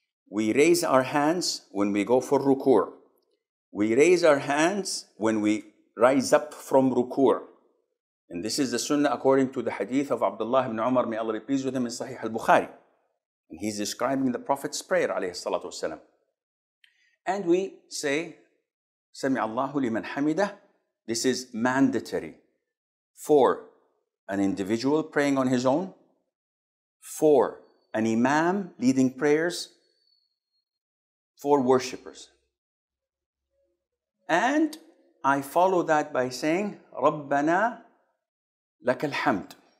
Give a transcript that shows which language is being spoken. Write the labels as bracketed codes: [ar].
[en] We raise our hands when we go for ruku'. We raise our hands when we rise up from ruku'. And this is the sunnah according to the hadith of Abdullah ibn Umar, may Allah be pleased with him, in Sahih al-Bukhari. And he's describing the Prophet's prayer, alayhi salatu wasalam. And we say, [ar] سَمِعَ اللَّهُ لِمَنْ حَمِدَهُ. [en] This is mandatory for an individual praying on his own, for an imam leading prayers, for worshippers. And I follow that by saying, [ar] رَبَّنَا لَكَ الْحَمْدُ.